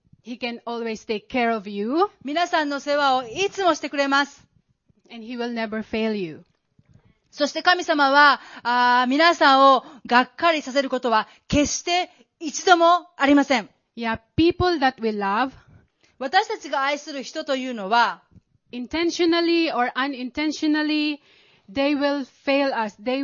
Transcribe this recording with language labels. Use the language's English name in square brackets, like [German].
[English] He can always take care of you. [Japanese] 皆さんの世話をいつもしてくれます。 [English] And He will never fail you. [Japanese] そして神様は、皆さんをがっかりさせることは決して一度もありません。 [English] Yeah, people that we love, [Japanese] 私たちが愛する人というのは、 [English] intentionally or unintentionally, they will fail us.